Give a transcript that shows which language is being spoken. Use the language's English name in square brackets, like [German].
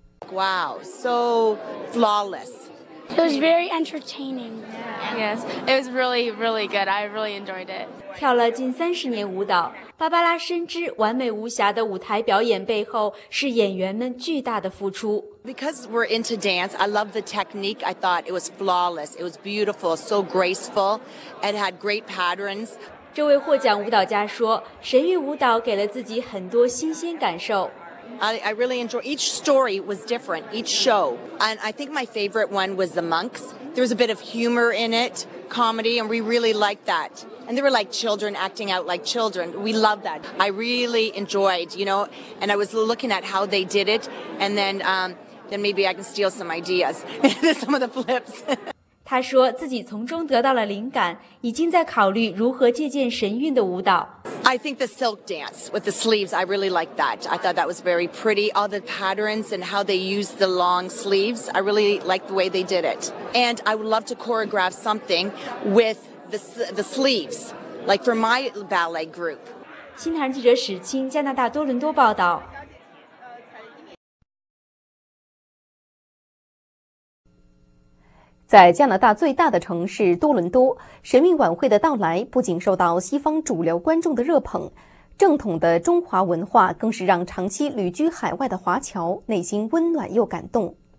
[English] Wow, so flawless. It was very entertaining. Yes, it was really, really good. I really enjoyed it. [Chinese] 跳了近30年舞蹈，芭芭拉深知完美无瑕的舞台表演背后是演员们巨大的付出。 [English] Because we're into dance, I love the technique. I thought it was flawless. It was beautiful, so graceful. It had great patterns. [Chinese] 这位获奖舞蹈家说，神韵舞蹈给了自己很多新鲜感受。 [English] I really enjoy each story was different, each show. And I think my favorite one was The Monks. There was a bit of humor in it, comedy, and we really liked that. And there were like children acting out like children. We loved that. I really enjoyed, you know, and I was looking at how they did it, and then maybe I can steal some ideas, some of the flips. [Chinese] 他说自己从中得到了灵感，已经在考虑如何借鉴神韵的舞蹈。 [English] I think the silk dance with the sleeves, I really like that. I thought that was very pretty. All the patterns and how they used the long sleeves, I really like the way they did it. And I would love to choreograph something with the sleeves, like for my ballet group. [Chinese] 新唐记者史青，加拿大多伦多报道。在加拿大最大的城市多伦多，神韵晚会的到来不仅受到西方主流观众的热捧，正统的中华文化更是让长期旅居海外的华侨内心温暖又感动。